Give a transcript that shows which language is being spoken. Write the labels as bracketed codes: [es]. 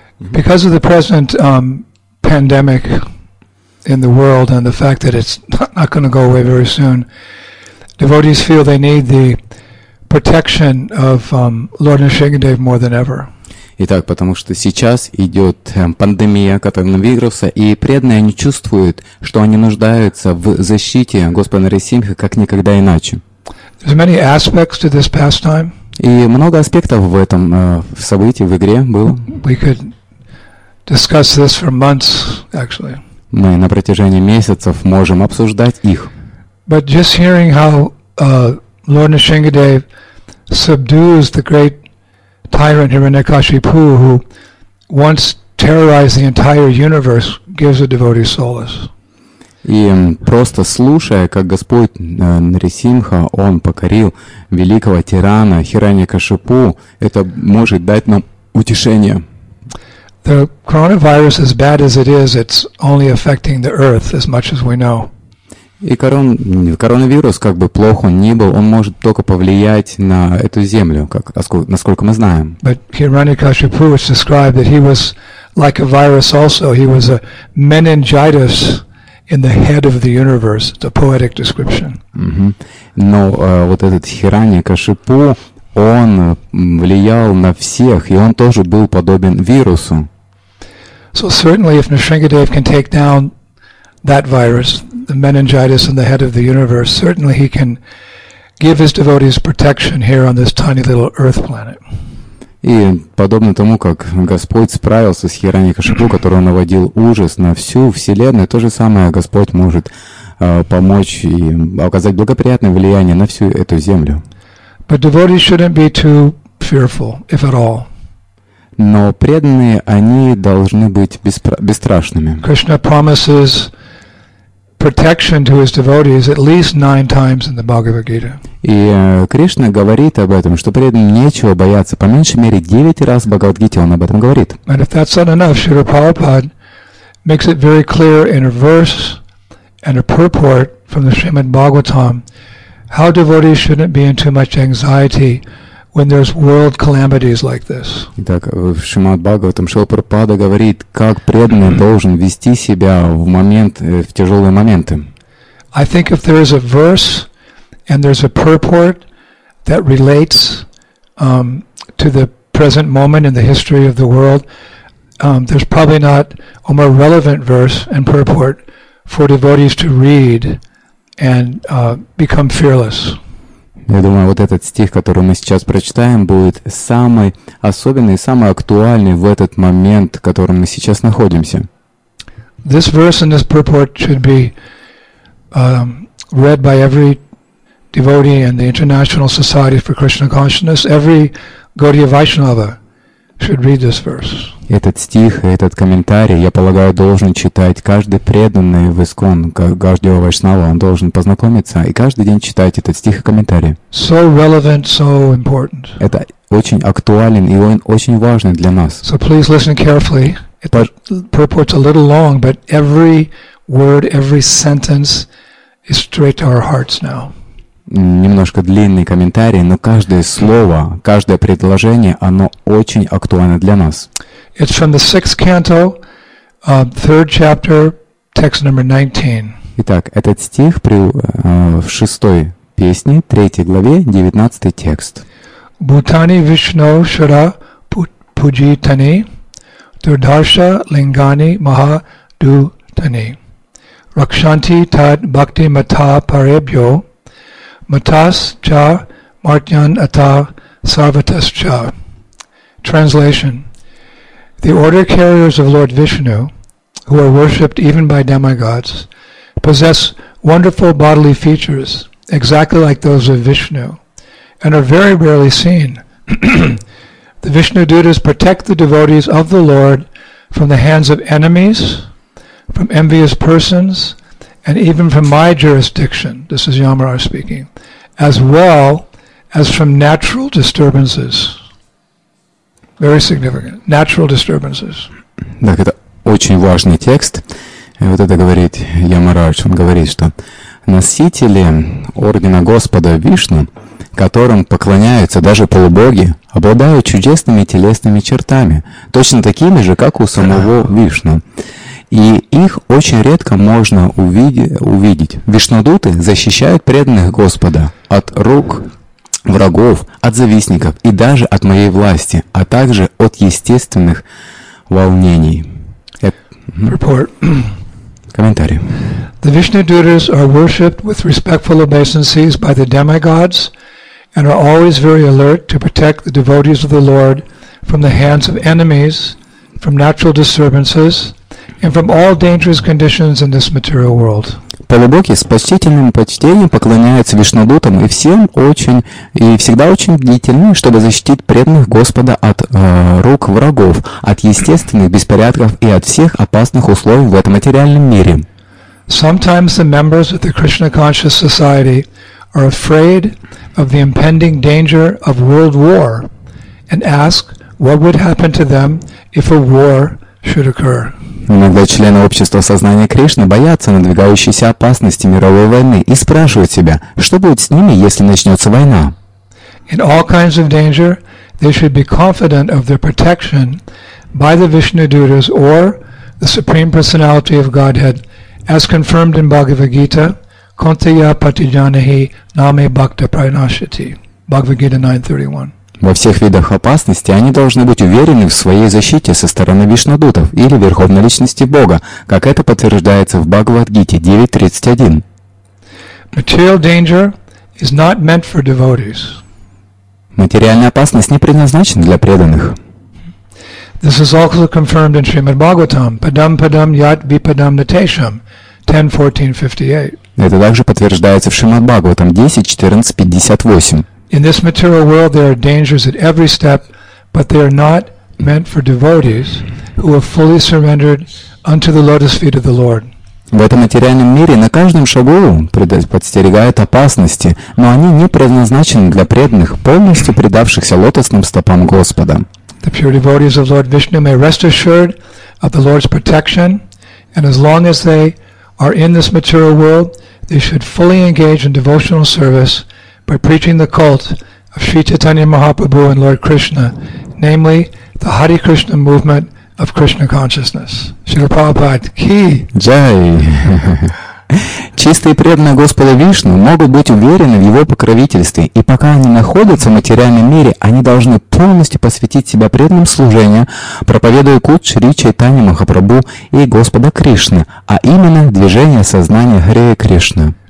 [en] Because of the present pandemic in the world and the fact that it's not going to go away very soon, devotees feel they need the protection of Lord Nrisimhadev more than ever. [ru] Итак, потому что сейчас идет пандемия коронавируса, и преданные они чувствуют, что они нуждаются в защите Господа Нарисимхи как никогда иначе. [en] There's many aspects to this pastime. [ru] И много аспектов в этом в событии, в игре было. [en] We could discuss this for months, actually. [ru] Мы на протяжении месяцев можем обсуждать их. [en] But just hearing how Lord Nrisimhadev subdues the great tyrant Hiranyakashipu, who once terrorized the entire universe, gives a devotee solace. [ru] И просто слушая, как Господь Нарисимха, он покорил великого тирана Хираньякашипу, это может дать нам утешение. [en] The coronavirus, as bad as it is, it's only affecting the earth, as much as we know. [ru] И коронавирус, как бы плохо он ни был, он может только повлиять на эту землю, как, насколько мы знаем. [en] But Hiranyakashipu was described that he was like a virus also. He was a meningitis in the head of the universe. It's a poetic description. [ru] Но вот этот Хиранья-Кашипу, он влиял на всех, и он тоже был подобен вирусу. [en] So certainly if Nrisimhadev can take down that virus, the meningitis in the head of the universe, certainly he can give his devotees protection here on this tiny little earth planet. [ru] И подобно тому, как Господь справился с Хираньякашипу, который наводил ужас на всю Вселенную, то же самое Господь может помочь и оказать благоприятное влияние на всю эту землю. [en] But devotees shouldn't be too fearful, if at all. [ru] Но преданные, они должны быть бесстрашными. [en] Krishna promises protection to his devotees at least 9 times in the Bhagavad Gita. [ru] И Кришна говорит об этом, что преданным нечего бояться, по меньшей мере 9 раз в Бхагавад Гите он об этом говорит. [en] And if that's not enough, Srila Prabhupada makes it very clear in a verse and a purport from the Srimad Bhagavatam how devotees shouldn't be in too much anxiety when there's world calamities like this. [ru] Итак, в Шримад-Бхагаватам Шрила Прабхупада говорит, как преданный должен вести себя в момент, в тяжелые моменты. [en] I think if there is a verse and there's a purport that relates to the present moment in the history of the world, there's probably not a more relevant verse and purport for devotees to read and become fearless. [ru] Я думаю, вот этот стих, который мы сейчас прочитаем, будет самый особенный, самый актуальный в этот момент, в котором мы сейчас находимся. [en] This verse and this purport should be read by every devotee in the International Society for Krishna Consciousness. Every Gaudiya Vaishnava should read this verse. [ru] Этот стих, этот комментарий, я полагаю, должен читать каждый преданный в ИСКОН, Гаудия Вайшнава, он должен познакомиться и каждый день читать этот стих и комментарий. [en] So relevant, so important. [ru] Это очень актуален и он очень важный для нас. [en] So please listen carefully. It purports a little long, but every word, every sentence is straight to our hearts now. [ru] Немножко длинный комментарий, но каждое слово, каждое предложение, оно очень актуально для нас. [en] It's from the sixth canto, third chapter, text number 19. [ru] Итак, этот стих в шестой песне, третьей главе, 19 текст. [sa] Бутани Вишно Шара Пуджитани Дурдарша Лингани Маха Дутани Ракшанти Тад Бхакти Мата Паребьо Матас Ча Мартьян Ата Сарватас Ча. [en] Translation. The order carriers of Lord Vishnu, who are worshipped even by demigods, possess wonderful bodily features, exactly like those of Vishnu, and are very rarely seen. The Vishnu Dutas protect the devotees of the Lord from the hands of enemies, from envious persons, and even from my jurisdiction, this is Yamaraj speaking, as well as from natural disturbances. Very significant. Natural disturbances. [ru] Так, это очень важный текст. И вот это говорит Ямарадж. Он говорит, что носители ордена Господа Вишну которым поклоняются даже полубоги, обладают чудесными телесными чертами, точно такими же, как у самого Вишну. И их очень редко можно увидеть. Вишнудуты защищают преданных Господа от рук врагов, от завистников и даже от моей власти, а также от естественных волнений. [en] Report. [ru] Комментарий. [en] The Vishnudutas are worshipped with respectful obeisances by the demigods and are always very alert to protect the devotees of the Lord from the hands of enemies, from natural disturbances, and from all dangerous conditions in this material world. [ru] Полубоги с почтительным почтением поклоняются Вишнудутам и всем очень и всегда очень бдительны, чтобы защитить преданных Господа от рук врагов, от естественных беспорядков и от всех опасных условий в этом материальном мире. [en] Sometimes the members of the Krishna Conscious Society are afraid of the impending danger of world war and ask what would happen to them if a war should occur. [ru] Иногда члены общества сознания Кришны боятся надвигающейся опасности мировой войны и спрашивают себя, что будет с ними, если начнется война. [en] In all kinds of danger, they should be confident of their protection by the Vishnudutas or the Supreme Personality of Godhead, as confirmed in Bhagavad Gita, [sa] Kaunteya Patijanahi Name Bhakta Pranashati, [en] Bhagavad Gita 9.31. [ru] Во всех видах опасности они должны быть уверены в своей защите со стороны Вишнудутов или Верховной Личности Бога, как это подтверждается в Бхагавад-гите 9.31. [en] Material danger is not meant for devotees. [ru] Материальная опасность не предназначена для преданных. [en] This is also confirmed in Srimad Bhagavatam, [sa] Padam Padam Yat Vipadam Natesham, [en] 10.14.58. [ru] Это также подтверждается в Шримад Бхагаватам 10.14.58. [en] In this material world, there are dangers at every step, but they are not meant for devotees who have fully surrendered unto the lotus feet of the Lord. [ru] В этом материальном мире на каждом шагу подстерегают опасности, но они не предназначены для преданных, полностью предавшихся лотосным стопам Господа. [en] The pure devotees of Lord Vishnu may rest assured of the Lord's protection, and as long as they are in this material world, they should fully engage in devotional service by preaching the cult of Sri Chaitanya Mahaprabhu and Lord Krishna, namely, the Hare Krishna movement of Krishna consciousness. Srila Prabhupada, ki! Jai! [ru] Чистые преданные Господа Вишну могут быть уверены в Его покровительстве, и пока они находятся в материальном мире, они должны полностью посвятить себя преданным служению, проповедуя культ Шри Чайтани Махапрабху и Господа Кришны, а именно движение сознания Харе Кришна.